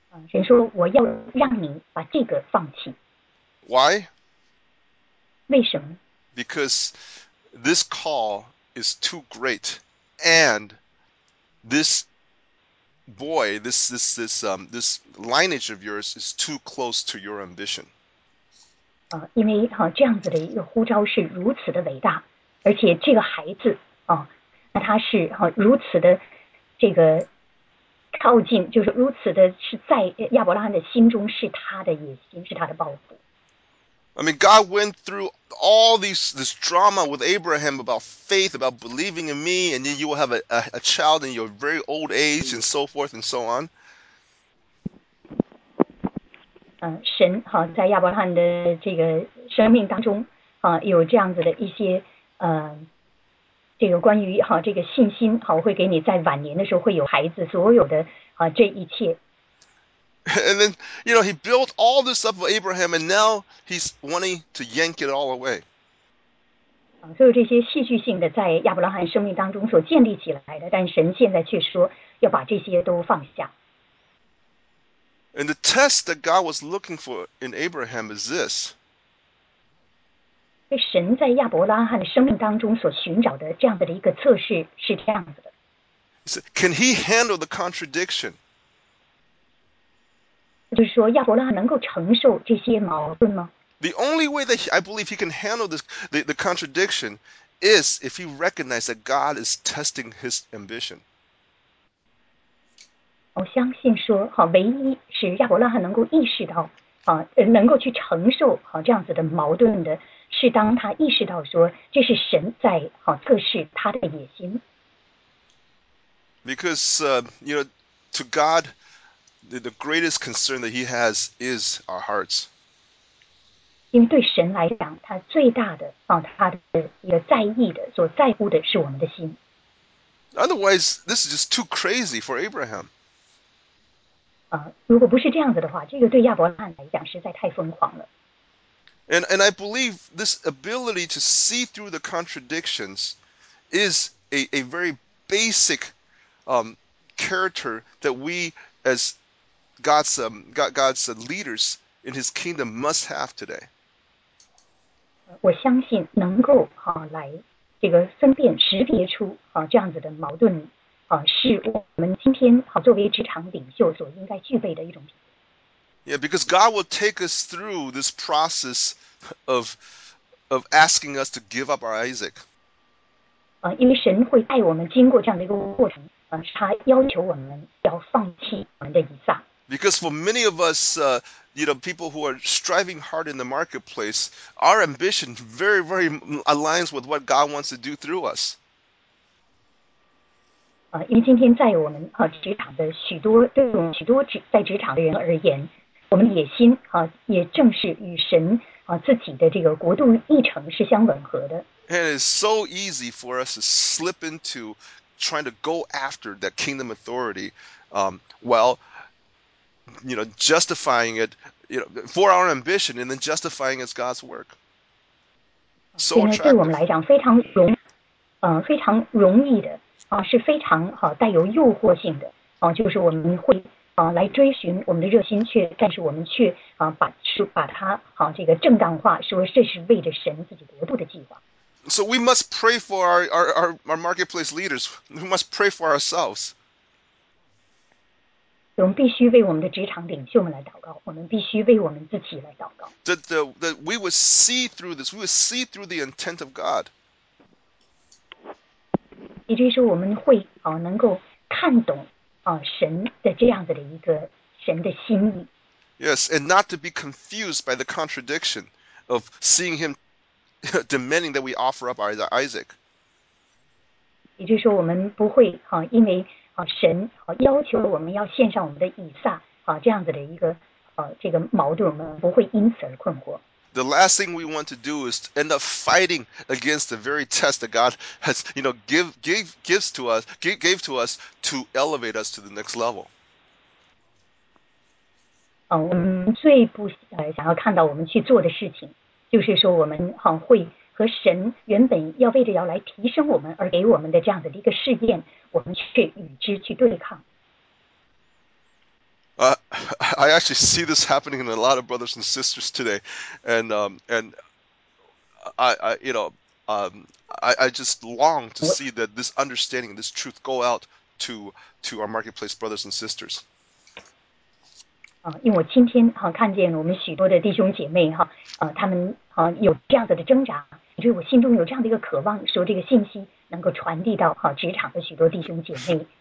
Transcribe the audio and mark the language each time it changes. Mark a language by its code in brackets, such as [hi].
[zh] 神说我要让你把这个放弃。 [en] Why? [zh] 为什么？ [en] Because this call is too great, and this boy, this lineage of yours is too close to your ambition. [zh] 因为这样子的一个呼召是如此的伟大，而且这个孩子那他是如此的这个靠近，就是如此的是在亚伯拉罕的心中是他的野心，是他的抱负。 [en] I mean, God went through all this drama with Abraham about faith, about believing in me, and then you will have a child in your very old age, and so forth and so on. [zh] 神在亚伯拉罕的这个生命当中有这样子的一些这个关于这个信心会给你在晚年的时候会有孩子，所有的这一切。 [en] And then, he built all this up for Abraham, and now he's wanting to yank it all away. [zh] 所有这些戏剧性的在亚伯拉罕生命当中所建立起来的，但神现在却说要把这些都放下。 [en] And the test that God was looking for in Abraham is this. [zh] 被神在亚伯拉罕的生命当中所寻找的这样子的一个测试是这样子的。 [en] He said, Can he handle the contradiction? [zh] 就是说，亚伯拉罕能够承受这些矛盾吗？ [en] The only way that I believe he can handle this, the contradiction is if he recognizes that God is testing his ambition. [zh] 我相信说，唯一使亚伯拉罕能够意识到能够去承受这样子的矛盾的，是当他意识到说这是神在测试他的野心。 [en] Because, you know, to God, the greatest concern that He has is our hearts. [zh] 因为对神来讲，他最大的他的一个在意的，所在乎的是我们的心。 [en] Otherwise, this is just too crazy for Abraham. [zh] 如果不是这样子的话，这个对亚伯拉罕来讲实在太疯狂了。 [en] And I believe this ability to see through the contradictions is a very basic character that we as God's leaders in His kingdom must have today. [zh] 我相信能够来这个分辨识别出这样子的矛盾是我们今天作为职场领袖所应该具备的一种。 [en] Yeah, because God will take us through this process of asking us to give up our Isaac. [zh] 因为神会带我们经过这样的一个过程，是他要求我们要放弃我们的以撒。 [en] Because for many of us, you know, people who are striving hard in the marketplace, our ambition very, very aligns with what God wants to do through us. [zh] 因为今天在我们职场的许多，对我们许多在职场的人而言，我们的野心也正是与神自己的这个国度议程是相吻合的。 [en] And it's so easy for us to slip into trying to go after that kingdom authority, while you know, justifying it, you know, for our ambition, and then justifying it as God's work. So attractive. [zh] 对我们来讲非常容易的是非常带有诱惑性的就是我们会来追寻我们的热心，却但是我们却把它这个正当化，说这是为着神自己国度的计划。 [en] So we must pray for our marketplace leaders. We must pray for ourselves. [zh] 我们必须为我们的职场领袖们来祷告，我们必须为我们自己来祷告。 [en] That we would see through this. We would see through the intent of God. [zh] 也就是说，我们会能够看懂神的这样子的一个神的心意。 [en] Yes, and not to be confused by the contradiction of seeing him demanding that we offer up our Isaac. [zh] 也就是说，我们不会因为神要求我们要献上我们的以撒这样子的一个这个矛盾，我们不会因此而困惑。 [en] The last thing we want to do is to end up fighting against the very test that God has, you know, gave to us to elevate us to the next level. [zh] 我们最不想要看到我们去做的事情，就是说我们会和神原本要为着要来提升我们而给我们的这样子的一个试验，我们去与之去对抗。 [en] I actually see this happening in a lot of brothers and sisters today, and I you know, I just long to see that this understanding, this truth, go out to our marketplace brothers and sisters. [zh] 因为我今天看见我们许多的弟兄姐妹他们有这样子的挣扎，所以我心中有这样的一个渴望，说这个信息能够传递到职场的许多弟兄姐妹。